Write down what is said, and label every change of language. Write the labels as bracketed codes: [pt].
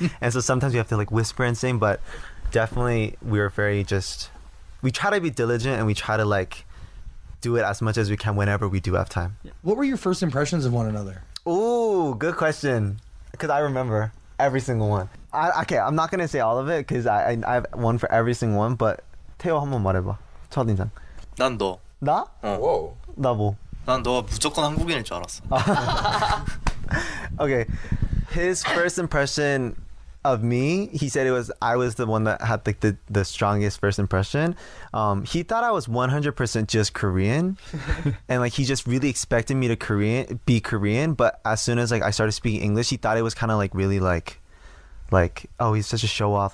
[en] And so sometimes we have to like whisper and sing, but definitely we try to be diligent and we try to like do it as much as we can whenever we do have time. What were your first impressions of one another? Ooh, good question, because I remember every single one. Okay, I'm not gonna say all of it because I have one for every single one. [ko] But 태호 한번 말해봐. 첫인상. 난 너. 나? 어. 오. 나 뭐? 난 너가 무조건 한국인일 줄 알았어. [en] Okay, his first impression of me, he said it was I was the one that had like the strongest first impression. He thought I was 100% just Korean, and like he just really expected me to be Korean. But as soon as like I started speaking English, he thought it was kind of like really like oh, he's such a show off.